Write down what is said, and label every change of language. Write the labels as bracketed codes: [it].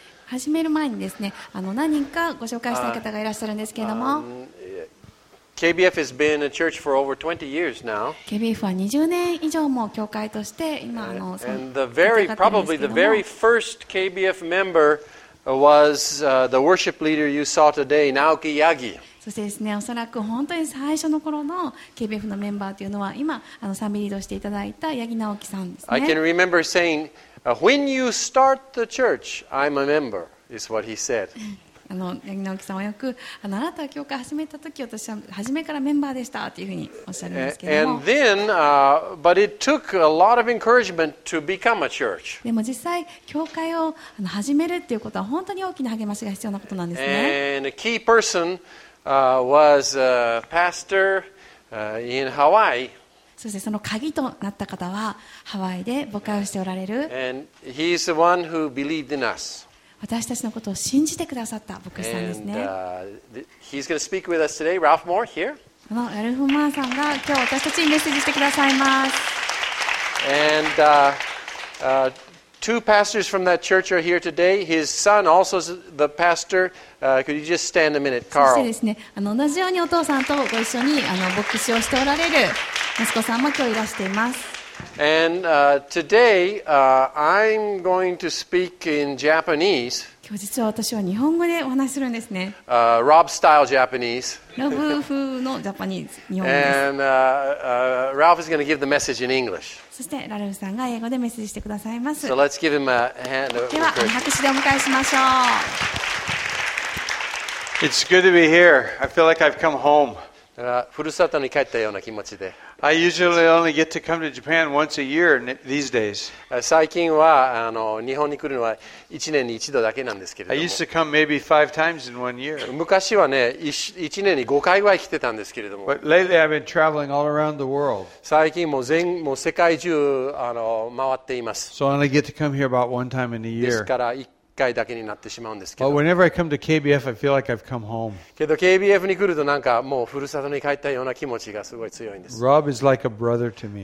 [ja] 始める前にですね、何人かご紹介したい方がいらっしゃるんですけれども。 [en] KBF has been a church for over 20 years now. [ja] KBF は20年以上も教会として今 [en] And the very, probably the very first KBF member was the worship leader you saw today, Naoki Yagi. [ja] そしてですね、おそらく本当に最初の頃の KBF のメンバーというのは今賛美リードしていただいた八木直樹さんですね。 [en] I can remember saying, when you start the church, I'm a member, is what he said. [ja] 八木直樹さんはよく、あなたは教会始めた時、私は初めからメンバーでしたというふうにおっしゃるんですけども。 [en] And then, but it took a lot of encouragement to become a church. [ja] でも実際、教会を始めるっていうことは本当に大きな励ましが必要なことなんですね。 [en] And a key personwas a pastor in Hawaii. [ja] そしてその鍵となった方はハワイで牧会をしておられる。 [en] And he's the one who believed in us. [ja] 私たちのことを信じてくださった牧師さんですね。 [en] And he's going to speak with us today, Ralph Moore here. [ja] このラルフ・マーさんが今日私たちにメッセージしてくださいます。 [en] And two pastors from that church are here today. His son also is the pastor. Could you just stand a minute, Carl? [ja] そしてですね、同じようにお父さんとご一緒に牧師をしておられる息子さんも今日いらしています。 [en] And today, I'm going to speak in Japanese. [ja] 今日実は私は日本語でお話しするんですね。 [en] Rob style Japanese. [ja] ロブ風のジャパニーズ、日本語です。 [en] And Ralph is going to give the message in English. [ja] そしてラルフさんが英語でメッセージしてくださいます。 [en] So let's give him a hand of [ja] では拍手でお迎えしましょう。 [en] It's good to be here. I feel like I've come home. [ja] ふるさとに帰ったような気持ちで。 [en] I usually only get to come to Japan once a year these days. [ja] 最近は日本に来るのは1年に1度だけなんですけれども。 [en] I used to come maybe 5 times in one year. [ja] 昔はね、1年に5回ぐらい来てたんですけれども。 [en] But lately I've been traveling all around the world. [ja] 最近も全もう世界中回っています。 [en] So I only get to come here about one time in a year. [ja] ですから1回だけになってしまうんですけど。 [en] But whenever I come to KBF, I feel like I've come home. [ja] けど KBF に来るとなんかもうふるさとに帰ったような気持ちがすごい強いんです。 [en] Rob is like a brother to me.